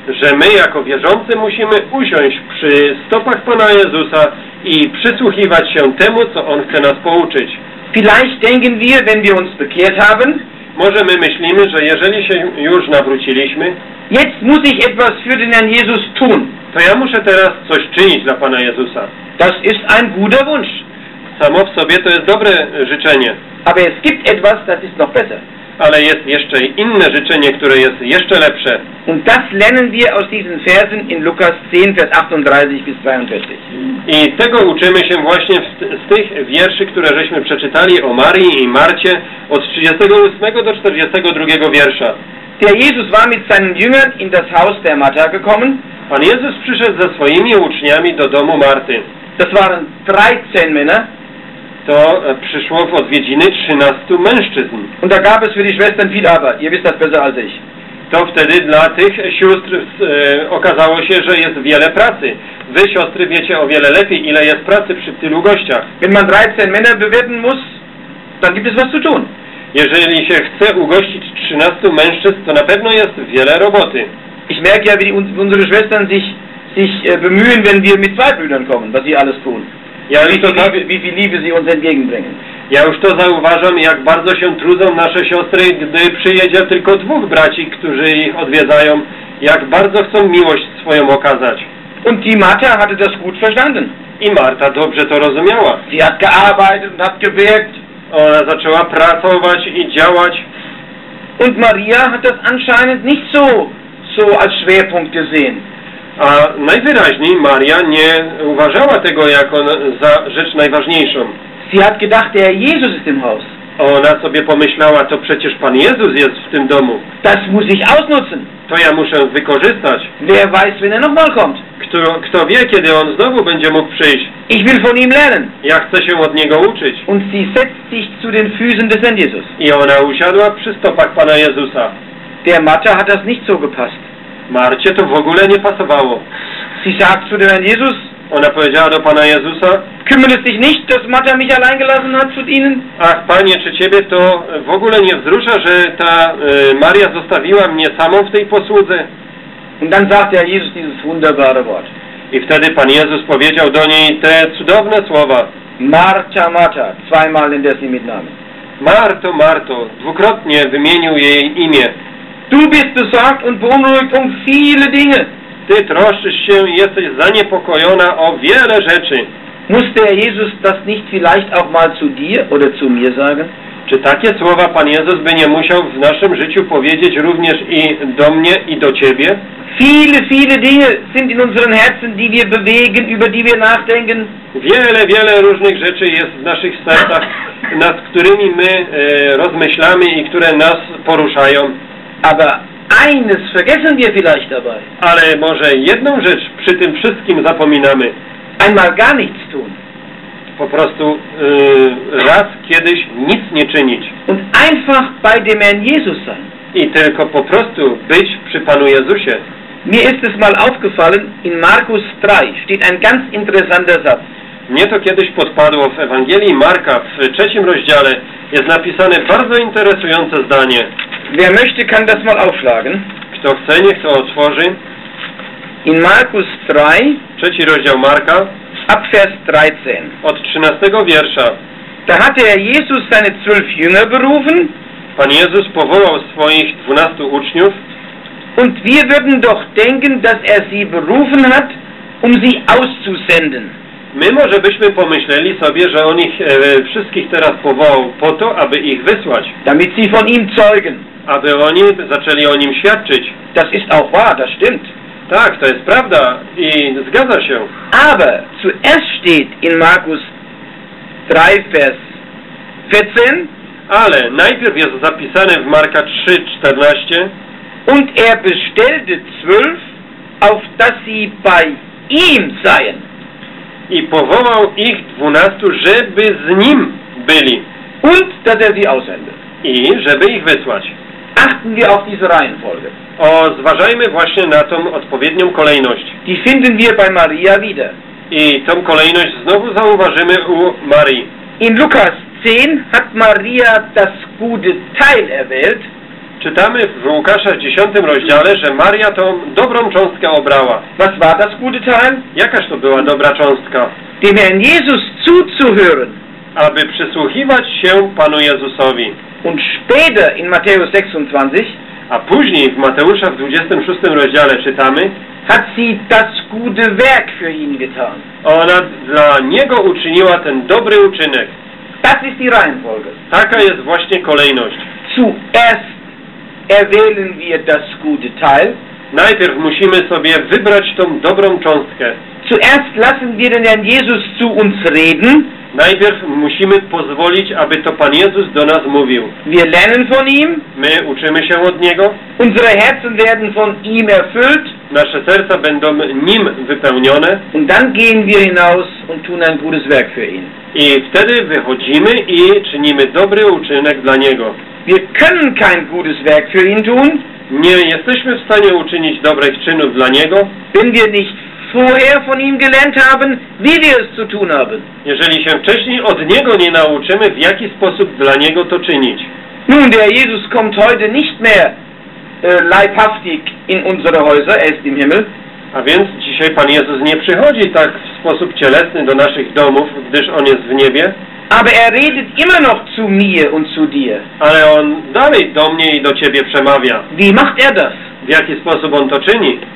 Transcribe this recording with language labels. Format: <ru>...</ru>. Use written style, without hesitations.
<pl>Że my jako wierzący musimy usiąść przy stopach Pana Jezusa i przysłuchiwać się temu, co On chce nas pouczyć.</pl> <de>Vielleicht denken wir, wenn wir uns bekehrt haben,</de> <pl>może my myślimy, że jeżeli się już nawróciliśmy,</pl> <de>jetzt muss ich etwas für den Herrn Jesus tun.</de> <pl>To ja muszę teraz coś czynić dla Pana Jezusa.</pl> <de>Das ist ein guter Wunsch.</de> <pl>Samo w sobie to jest dobre życzenie.</pl> <de>Aber es gibt etwas, das ist noch besser.</de> <pl>Ale jest jeszcze inne życzenie, które jest jeszcze lepsze.</pl> <de>Und das lernen wir aus diesen Versen in Lukas 10, Vers 38 bis 42.</de> <pl>I tego uczymy się właśnie z tych wierszy, które żeśmy przeczytali o Marii i Marcie od 38 do 42 wiersza.</pl> <de>Der Jesus war mit seinen Jüngern in das Haus der Martha gekommen.</de> <pl>Pan Jezus przyszedł ze swoimi uczniami do domu Marty.</pl> <de>Das waren 13 Männer.</de> <pl>To przyszło w odwiedziny 13 mężczyzn.</pl> <de>Und da gab es für die Schwestern viel Arbeit. Ihr wisst das besser als ich.</de> <pl>To wtedy dla tych sióstr okazało się, że jest wiele pracy. Wy, siostry, wiecie o wiele lepiej, ile jest pracy przy tylu gościach.</pl> <de>Wenn man 13 Männer bewerben muss, dann gibt es was zu tun.</de> <pl>Jeżeli się chce ugościć 13 mężczyzn, to na pewno jest wiele roboty.</pl> <de>Ich merke ja, wie unsere Schwestern sich bemühen, wenn wir mit zwei Brüdern kommen, was sie alles tun. Ja, wie viel Liebe sie uns entgegenbringen.</de> <pl>Ja już to zauważam, jak bardzo się trudzą nasze siostry, gdy przyjedzie tylko dwóch braci, którzy ich odwiedzają, jak bardzo chcą miłość swoją okazać.</pl> <de>Und die Martha hatte das gut verstanden.</de> <pl>I Marta dobrze to rozumiała.</pl> <de>Sie hat gearbeitet und hat gewirkt.</de> <pl>Ona zaczęła pracować i działać.</pl> <de>Und Maria hat das anscheinend nicht so als Schwerpunkt gesehen.</de> <pl>A najwyraźniej Maria nie uważała tego jako za rzecz najważniejszą.</pl> <de>Sie hat gedacht, der Jesus ist im Haus.</de> <pl>Ona sobie pomyślała, to przecież Pan Jezus jest w tym domu.</pl> <de>Das muss ich ausnutzen.</de> <pl>To ja muszę wykorzystać.</pl> <de>Wer weiß, wenn er nochmal kommt.</de> <pl>Kto wie, kiedy on znowu będzie mógł przyjść.</pl> <de>Ich will von ihm lernen.</de> <pl>Ja chcę się od niego uczyć.</pl> <de>Und sie setzt sich zu den Füßen des Herrn Jesus.</de> <pl>I ona usiadła przy stopach Pana Jezusa.</pl> <de>Der Martha hat das nicht so gepasst.</de> <pl>Marcie to w ogóle nie pasowało.</pl> <de>Sie sagt zu dem Herrn Jesus.</de> <pl>Ona powiedziała do Pana Jezusa.</pl> <de>Kümmert es dich nicht, dass Martha mich allein gelassen hat zu ihnen?</de> <pl>Ach, Panie, czy Ciebie to w ogóle nie wzrusza, że ta Maria zostawiła mnie samą w tej posłudze?</pl> <de>Und dann sagt der Jesus dieses wunderbare Wort.</de> <pl>I wtedy Pan Jezus powiedział do niej te cudowne słowa.</pl> <de>Marta, Marta, zweimal in des mit Namen.</de> <pl>Marto, Marto, dwukrotnie wymienił jej imię.</pl> <de>Du bist besorgt und beunruhigt um viele Dinge.</de> <pl>Ty troszczysz się i jesteś zaniepokojona o wiele rzeczy.</pl> <de>Muss der Jesus das nicht vielleicht auch mal zu dir oder zu mir sagen?</de> <pl>Czy takie słowa Pan Jezus by nie musiał w naszym życiu powiedzieć również i do mnie i do ciebie?</pl> <de>Viele, viele Dinge sind in unseren Herzen, die wir bewegen, über die wir nachdenken.</de> <pl>Wiele, wiele różnych rzeczy jest w naszych sercach, nad którymi my rozmyślamy i które nas poruszają.</pl> <de>Aber eines vergessen wir vielleicht dabei.</de> <pl>Ale może jedną rzecz przy tym wszystkim zapominamy.</pl> <de>Einmal gar nichts tun.</de> <pl>Po prostu raz kiedyś nic nie czynić.</pl> <de>Und einfach bei dem Herrn Jesus sein.</de> <pl>I tylko po prostu być przy Panu Jezusie.</pl> <de>Mir ist es mal aufgefallen, in Markus 3 steht ein ganz interessanter Satz.</de> <pl>Mnie to kiedyś podpadło w Ewangelii Marka w trzecim rozdziale. Jest napisane bardzo interesujące zdanie.</pl> <de>Wer möchte, kann das mal aufschlagen.</de> <pl>Kto chce, niech to otworzy.</pl> <de>In Markus 3,</de> <pl>trzeci rozdział Marka,</pl> <de>ab Vers 13.</de> <pl>Od 13 wiersza.</pl> <de>Da hatte er Jesus seine 12 Jünger berufen.</de> <pl>Pan Jezus powołał swoich 12 uczniów.</pl> <de>Und wir würden doch denken, dass er sie berufen hat, um sie auszusenden.</de> <pl>My może byśmy pomyśleli sobie, że on ich wszystkich teraz powołał po to, aby ich wysłać.</pl> <de>Damit sie von ihm zeugen.</de> <pl>Aby oni zaczęli o nim świadczyć.</pl> <de>Das ist auch wahr, das stimmt.</de> <pl>Tak, to jest prawda i zgadza się.</pl> <de>Aber zuerst steht in Markus 3, Vers 14.</de> <pl>Ale najpierw jest zapisane w Marka 3, 14.</pl> <de>Und er bestellte 12, auf dass sie bei ihm seien.</de> <pl>I powołał ich 12, żeby z nim byli.</pl> <de>Und dass er sie aussende.</de> <pl>I żeby ich wysłać.</pl> <de>Achten wir auf diese Reihenfolge.</de> <pl>O, zważajmy właśnie na tą odpowiednią kolejność.</pl> <de>Die finden wir bei Maria wieder.</de> <pl>I tą kolejność znowu zauważymy u Marii.</pl> <de>In Lukas 10 hat Maria das gute Teil erwählt.</de> <pl>Czytamy w Łukasza 10 rozdziale, że Maria tą dobrą cząstkę obrała.</pl> <de>Was war das gute Teil?</de> <pl>Jakaż to była dobra cząstka?</pl> <de>Dem Herrn Jesus zuzuhören.</de> <pl>Aby przysłuchiwać się Panu Jezusowi.</pl> <de>Und später in Matthäus 26.</de> <pl>A później w Mateusza w 26 rozdziale czytamy.</pl> <de>Hat sie das gute Werk für ihn getan.</de> <pl>Ona dla niego uczyniła ten dobry uczynek.</pl> <de>Das ist die Reihenfolge.</de> <pl>Taka jest właśnie kolejność.</pl> <de>Zuerst erwählen wir das gute Teil.</de> <pl>Najpierw musimy sobie wybrać tą dobrą cząstkę.</pl> <de>Zuerst lassen wir den Herrn Jesus zu uns reden.</de> <pl>Najpierw musimy pozwolić, aby to Pan Jezus do nas mówił.</pl> <de>Wir lernen von ihm.</de> <pl>My uczymy się od Niego.</pl> <de>Unsere Herzen werden von ihm erfüllt.</de> <pl>Nasze serca będą Nim wypełnione.</pl> <de>Und dann gehen wir hinaus und tun ein gutes Werk für ihn.</de> <pl>I wtedy wychodzimy i czynimy dobry uczynek dla Niego.</pl> <de>Wir können kein gutes Werk für ihn tun.</de> <pl>Nie jesteśmy w stanie uczynić dobrych czynów dla Niego.</pl> <de>Wenn wir nicht vorher von ihm gelernt haben, wie wir es zu tun haben.</de> <pl>Jeżeli się wcześniej od Niego nie nauczymy, w jaki sposób dla Niego to czynić.</pl> <de>Nun, der Jesus kommt heute nicht mehr leibhaftig in unsere Häuser, er ist im Himmel.</de> <pl>A więc dzisiaj Pan Jezus nie przychodzi tak w sposób cielesny do naszych domów, gdyż On jest w niebie.</pl> <de>Aber er redet immer noch zu mir und zu dir.</de> <pl>Ale On dalej do mnie i do Ciebie przemawia.</pl> <de>Wie macht er das?</de> <pl>W jaki sposób On to czyni?</pl>